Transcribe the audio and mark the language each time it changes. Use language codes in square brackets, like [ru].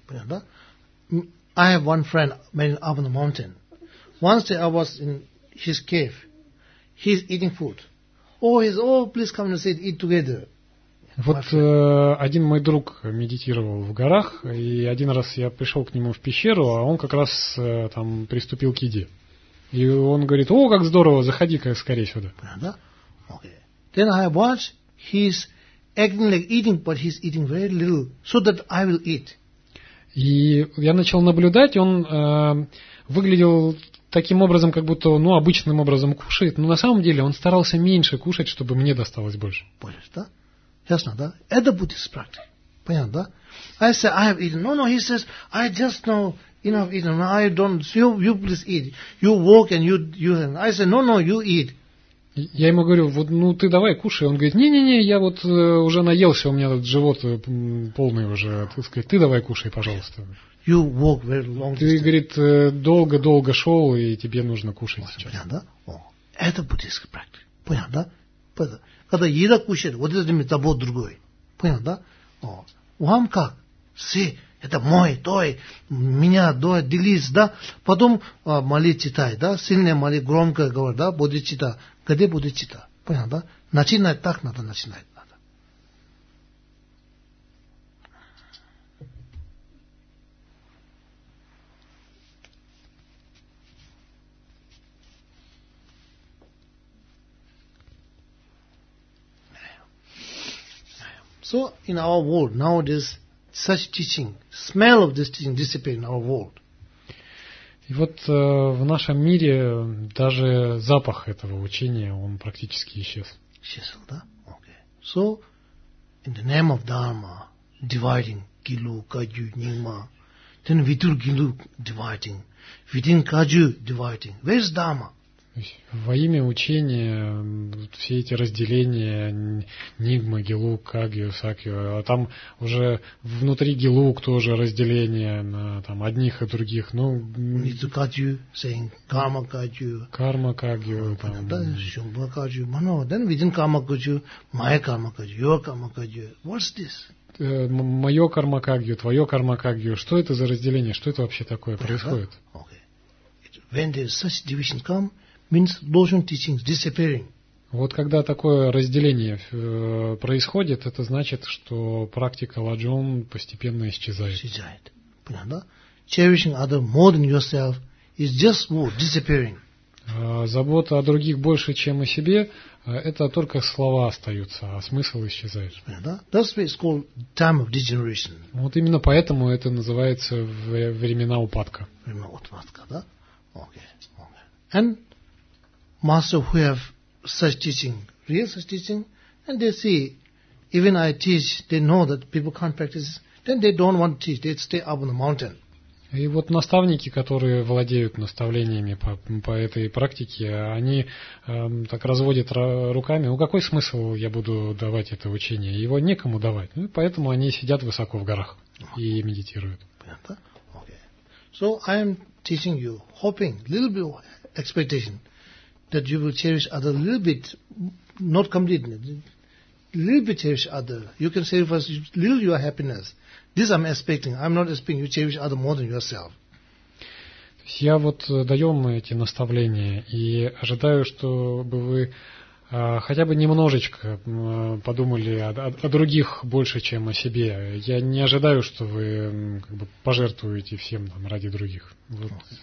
[ru] Понятно? [en] I have one friend up on the mountain. Once I was in his cave. He's eating food. Please come and sit, eat together. [ru] Вот один мой друг медитировал в горах, и один раз я пришел к нему в пещеру, а он как раз там приступил к еде. И он говорит, о, как здорово, заходи-ка скорее сюда. Да? Окей. [en] Then I watch, he's acting like eating, but he's eating very little, so that I will eat. [ru] И я начал наблюдать, он выглядел таким образом, как будто, ну, обычным образом кушает, но на самом деле он старался меньше кушать, чтобы мне досталось больше. Понятно, да? Ясно, да? Это буддийская практика. Понятно, да? [en] I say, I have eaten. No, he says, I just know enough eaten. I don't, so you please eat. You walk and you and I say, no, you eat. [ru] Я ему говорю, вот, ну, ты давай, кушай. Он говорит, не, я вот уже наелся, у меня тут живот полный уже. Ты, сказать, ты давай, кушай, пожалуйста. [en] You walk very long distance. [ru] Ты, говорит, долго-долго шел, и тебе нужно кушать сейчас. Понятно, да? Это буддийская практика. Понятно, да? Когда еда кушает, вот это для тебя будет другой. Понятно, да? Вам как? Си, это мой, той, меня, той, делись, да? Потом молитва читай, да? Сильная молитва, громко говорит, да? Бодхичитта. Где бодхичитта? Понятно, да? Начинать так надо, начинать. [en] So in our world nowadays, such teaching, smell of this teaching disappeared in our world. [ru] И вот в нашем мире даже запах этого учения он практически исчез. Исчезл, да? [en] Okay. So in the name of Dharma, dividing Gilu, Kaju, Nyingma, then Vidur Gilu dividing, Vidin Kaju dividing. Where is Dharma? [ru] Во имя учения все эти разделения нигма, гилу, кагью, сакью, а там уже внутри гилу тоже разделение на там, одних и других. Ну, нитукадью, saying карма кагью. Карма кагью. Да, шумба кагью. [en] Мано, then within карма кагью, моя карма кагью, your карма кагью. What's this? [ru] Мое карма кагью, твое карма кагью. Что это за разделение? Что это вообще такое происходит? [en] When there's such division come, means должен teachings disappearing. [ru] Вот когда такое разделение происходит, это значит, что практика ладжон постепенно исчезает. Исчезает. Понятно, да? [en] Cherishing other more than yourself is just word disappearing. [ru] Забота о других больше, чем о себе, это только слова остаются, а смысл исчезает. Понятно, да? [en] That's why it's called time of degeneration. [ru] Вот именно поэтому это называется времена упадка. Времена упадка, да? Okay. [en] And master who have such teaching, real such teaching, and they see, even I teach, they know that people can't practice, then they don't want to teach, they stay up on the mountain. [ru] И вот наставники, которые владеют наставлениями по этой практике, они так разводят руками, ну какой смысл я буду давать это учение? Его некому давать. Ну, поэтому они сидят высоко в горах и медитируют. Понятно? Okay. [en] So I am teaching you, hoping, little bit of expectation, that you will cherish other a little bit, not completely, a little bit cherish other. You can sacrifice little your happiness, This I'm expecting. I'm not expecting you to cherish other more than yourself. [ru] То есть я вот даю вам эти наставления и ожидаю, чтобы вы хотя бы немножечко подумали о других больше, чем о себе. Я не ожидаю, что вы как бы пожертвуете всем там ради других. Вот.